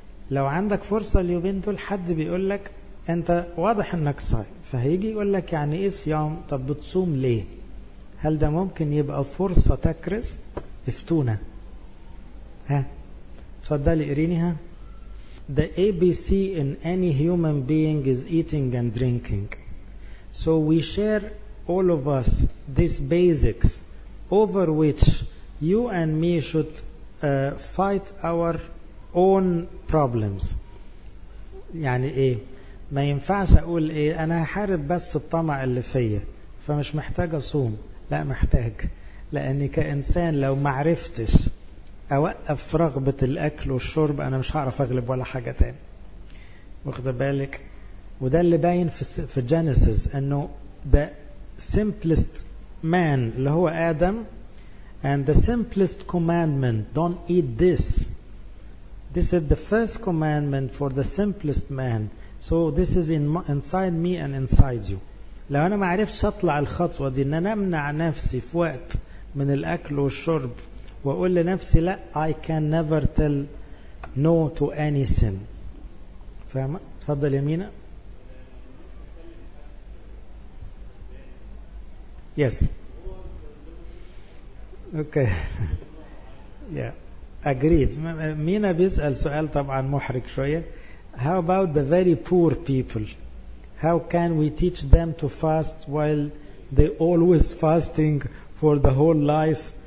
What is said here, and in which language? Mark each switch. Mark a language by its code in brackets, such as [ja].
[ar] لو عندك فرصة اليومين دول حد بيقول لك انت واضح انك صايم، فهيجي يقول لك يعني ايه صيام؟ طب بتصوم ليه؟ هل ده ممكن يبقى فرصة تكرس؟ افتونا. ها صدقلي قريني. [en] ها The ABC in any human being is eating and drinking. So we share all of us these basics over which you and me should fight our own problems. [ar] يعني ايه؟ ما ينفعش اقول ايه انا هحارب بس الطمع اللي فيا فمش محتاج اصوم. لا محتاج، لاني كانسان لو معرفتش اوقف رغبة الاكل والشرب انا مش هعرف اغلب ولا حاجة تاني. واخد بالك؟ وده اللي باين في جينيسيس، انه ده [en] simplest man [ar] اللي هو آدم، [en] and the simplest commandment don't eat this. This is the first commandment for the simplest man. So this is inside me and inside you. [ar] لو أنا ما عرفتش أطلع الخطوة دي إن أنا أمنع نفسي في وقت من الأكل والشرب وأقول لنفسي لا، [en] I can never tell no to any sin. [ar] فاهمة؟ تفضل يا مينا. [en] Yes. Okay. Yeah. Agreed. [ar] مينا بيسأل سؤال طبعا محرج شوية. [en] How about the very poor people? How can we teach them to fast while they always fasting for the whole life?